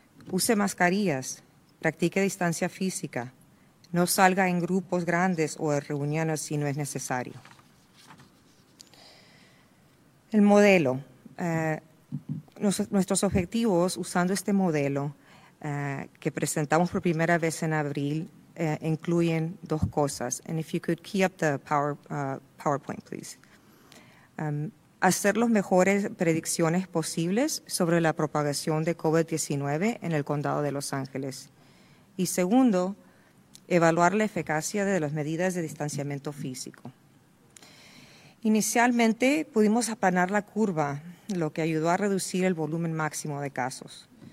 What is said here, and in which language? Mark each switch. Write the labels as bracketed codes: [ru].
[es] Use mascarillas, practique distancia física, no salga en grupos grandes o en reuniones si no es necesario. El modelo. Nuestros objetivos usando este modelo que presentamos por primera vez en abril incluyen dos cosas. [en] And if you could key up the PowerPoint, please. [es] Hacer las mejores predicciones posibles sobre la propagación de COVID-19 en el condado de Los Ángeles. Y segundo, evaluar la eficacia de las medidas de distanciamiento físico. Inicialmente, pudimos aplanar la curva, lo que ayudó a reducir el volumen máximo de casos.